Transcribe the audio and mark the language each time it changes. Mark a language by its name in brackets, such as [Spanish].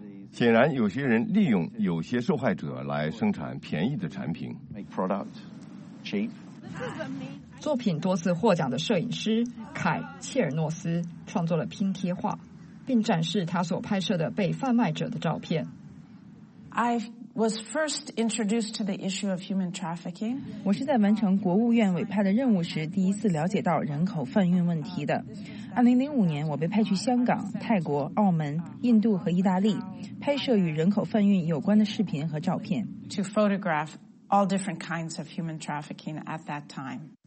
[Chinese] 显然，有些人利用有些受害者来生产便宜的产品。作品多次获奖的摄影师凯·切尔诺斯创作了拼贴画，并展示他所拍摄的被贩卖者的照片。 [English] I was first introduced to the issue of human trafficking. [Chinese] 我是在完成国务院委派的任务时第一次了解到人口贩运问题的。 2005年我被派去香港、泰国、澳门、印度和意大利拍摄与人口贩运有关的视频和照片。 [English] To photograph all different kinds of human trafficking at that time.